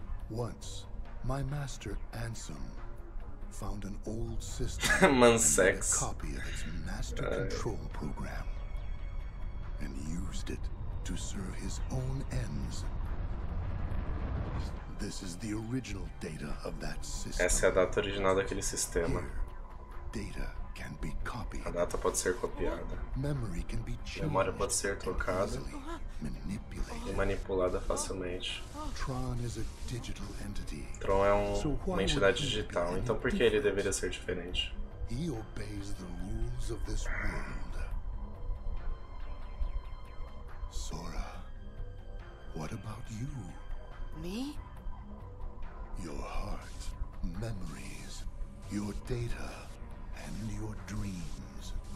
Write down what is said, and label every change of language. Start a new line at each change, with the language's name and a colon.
English: Once, my master Ansem found an old system Mansex. And a copy of its master control program and used it to serve his own ends. This is the original data of that system.
Portuguese: Essa é a data original daquele sistema.
English: Here, data can be copied.
Portuguese: A data pode ser copiada.
English: Memory can be changed.
Portuguese: Memória pode ser trocada.
English: Manipulated.
Portuguese: Manipulada facilmente.
English: Tron is a digital entity.
Portuguese: Tron é uma entidade digital. Então por que ele deveria ser diferente?
English: He obeys the rules of this world. Sora, what about you? Me? Your heart, memories, your data, and your dreams.